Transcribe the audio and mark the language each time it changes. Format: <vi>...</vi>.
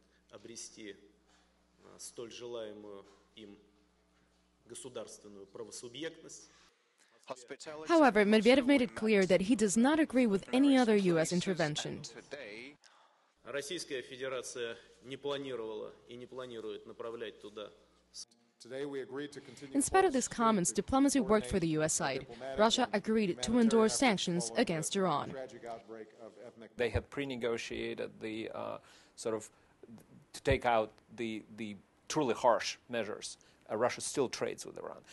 <ru>Обрести столь желаемую им государственную правосубъектность.</ru> <en>However, Medvedev made it clear that he does not agree with any other U.S. intervention.</en> <ru>Российская Федерация не планировала и не планирует направлять туда.</ru> <en>In spite of these comments, diplomacy worked for the U.S. side. Russia agreed to endorse sanctions against Iran. They had pre-negotiated the sort of to take out the truly harsh measures. Russia still trades with Iran.</en>